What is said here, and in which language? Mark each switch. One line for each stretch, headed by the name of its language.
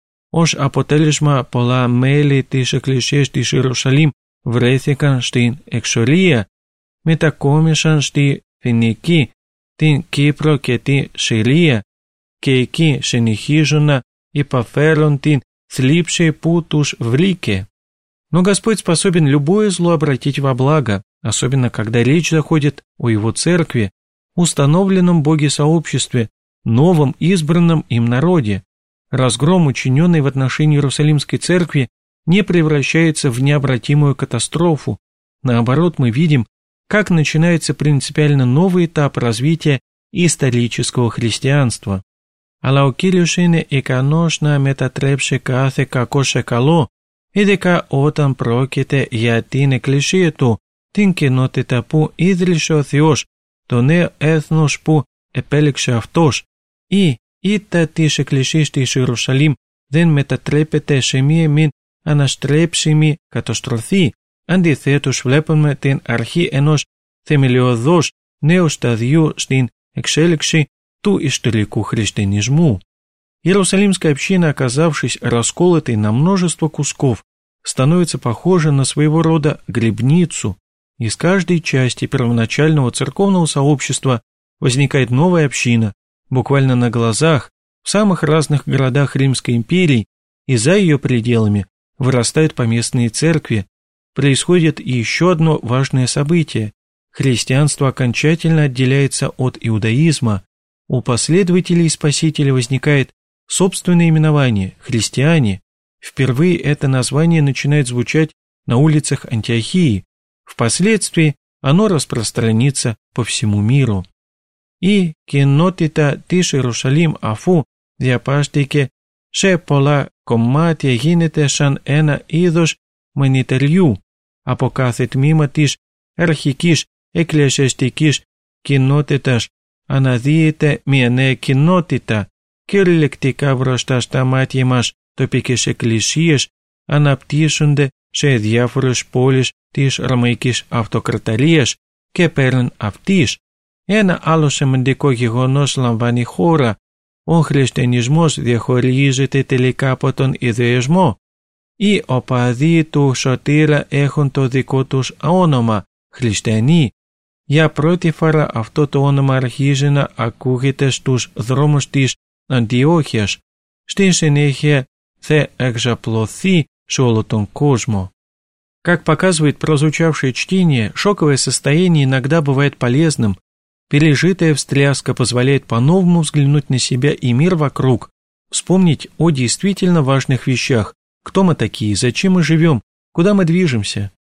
Greek: Ως αποτέλεσμα, πολλά μέλη της εκκλησίας της Ιερουσαλήμ βρέθηκαν στην εξορία, μετακόμισαν στη Φοινική, την Κύπρο και τη Συρία και εκεί συνεχίζουν να υποφέρουν την θλίψη που τους βρήκε.
Russian: Но Господь способен любое зло обратить во благо, особенно когда речь заходит о Его Церкви, установленном Боге сообществе, новом избранном им народе. Разгром, учиненный в отношении Иерусалимской Церкви, не превращается в необратимую катастрофу. Наоборот, мы видим, как начинается принципиально новый этап развития исторического христианства.
Greek: Αλλά ο Κύριος είναι ικανός να μετατρέψει κάθε κακό σε καλό, ειδικά όταν πρόκειται για την Εκκλησία Του, την κοινότητα που ίδρυσε ο Θεός, το νέο έθνος που επέλεξε Αυτός. Η ήττα της Εκκλησίας της Ιερουσαλήμ δεν μετατρέπεται σε μία μην αναστρέψιμη καταστροφή. Αντιθέτως βλέπουμε την αρχή ενός θεμελιωδούς νέου σταδίου στην εξέλιξη του ιστορικού χριστιανισμού.
Russian: Иерусалимская община, оказавшись расколотой на множество кусков, становится похожа на своего рода грибницу. Из каждой части первоначального церковного сообщества возникает новая община, буквально на глазах, в самых разных городах Римской империи и за ее пределами вырастают поместные церкви. Происходит еще одно важное событие. Христианство окончательно отделяется от иудаизма. У последователей Спасителя возникает собственное именование – христиане. Впервые это название начинает звучать на улицах Антиохии. Впоследствии оно распространится по всему миру.
Greek: И кинотита тиш Иерусалим афу диапаштике ше пола комматия гинете шан ена идош манитерью, а по кафе тмима тиш архикиш эклесиастикиш кинотиташ анадиете мене кинотита. Κυριολεκτικά μπροστά στα μάτια μας τοπικές εκκλησίες αναπτύσσονται σε διάφορες πόλεις της Ρωμαϊκής Αυτοκρατορίας και πέραν αυτής. Ένα άλλο σημαντικό γεγονός λαμβάνει χώρα. Ο χριστιανισμός διαχωρίζεται τελικά από τον ιδεϊσμό. Οι οπαδοί του Σωτήρα έχουν το δικό τους όνομα, χριστιανοί. Για πρώτη φορά αυτό το όνομα αρχίζει να ακούγεται στους δρόμους της Αντιόχειας. Στη συνέχεια θα εξαπλωθεί σε όλο τον κόσμο.
Russian: Как показывает прозвучавшее чтение, шоковое состояние иногда бывает полезным. Пережитая встряска позволяет по-новому взглянуть на себя и мир вокруг, вспомнить о действительно важных вещах, кто мы такие, зачем мы живем, куда мы движемся.